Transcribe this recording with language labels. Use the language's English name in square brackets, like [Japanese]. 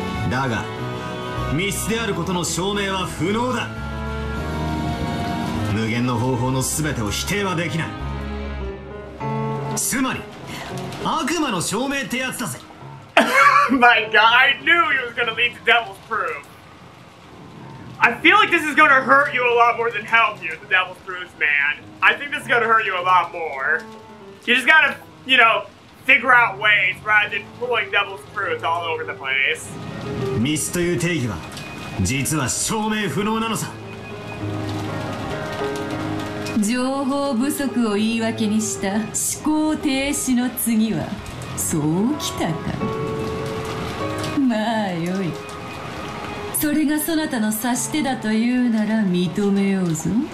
[Japanese] だが密室であることの証明は不能だ。無限の方法の全てを否定はできない。つまり悪魔の証明ってやつだぜ。 [English] My god, I knew he was gonna leave the devil's proof. I feel like this is gonna hurt you a lot more than help you, the devil's proof, man. I think this is gonna hurt you a lot more. You just gotta, you know, figure out ways rather than pulling devil's proof all over the place. [Japanese] ミスという定義は実は証明不能なのさ。情報不足を言い訳にした思考停止の次はそうきたか。まあよい、それがそなたの指し手だというなら認めようぞ。